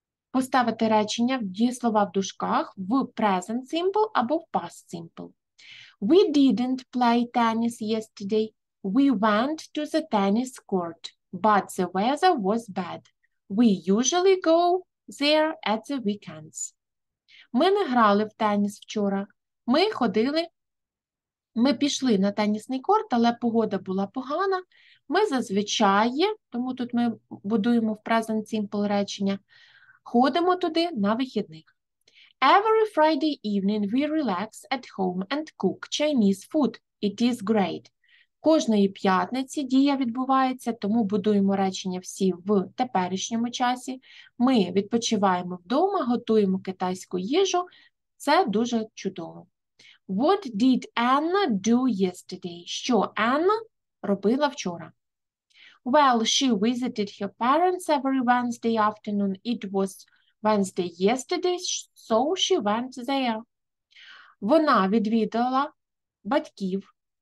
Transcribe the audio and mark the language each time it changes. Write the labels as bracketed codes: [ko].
[uk] Поставити речення в дієслова в дужках в present simple або в past simple. [en] We didn't play tennis yesterday. We went to the tennis court, but the weather was bad. We usually go there at the weekends. [uk] Ми не грали в теніс вчора. Ми пішли на тенісний корт, але погода була погана. Ми зазвичай, тому тут ми будуємо в present simple речення, ходимо туди на вихідних. [en] Every Friday evening we relax at home and cook Chinese food. It is great. [uk] Кожної п'ятниці дія відбувається, тому будуємо речення всі в теперішньому часі. Ми відпочиваємо вдома, готуємо китайську їжу. Це дуже чудово. [en] What did Anna do yesterday? [uk] Що Anna робила вчора? [en] Well, she visited her parents every Wednesday afternoon. It was Wednesday yesterday, so she went there. [uk] Вона відвідала батьків.